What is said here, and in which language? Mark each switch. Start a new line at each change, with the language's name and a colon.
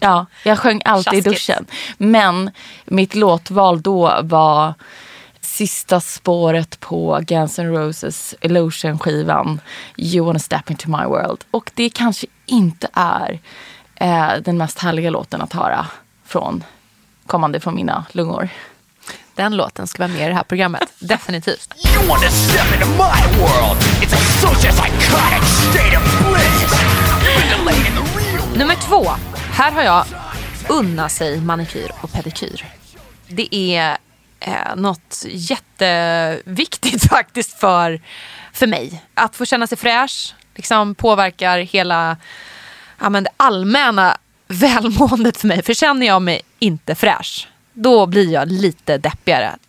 Swedish: Ja, jag sjöng alltid i duschen. Men mitt låtval då var sista spåret på Guns N' Roses Illusion-skivan You Wanna Step Into My World. Och det kanske inte är den mest härliga låten att höra från kommande från mina lungor. Den låten ska vara med i det här programmet. Definitivt.
English: You wanna step into my world. It's a social psychotic state of bliss.
Swedish: Nummer två. Här har jag unna sig manikyr och pedikyr. Det är något jätteviktigt faktiskt för mig. Att få känna sig fräsch liksom påverkar hela det allmänna välmåendet för mig. För känner jag mig inte fräsch, då blir jag lite deppigare.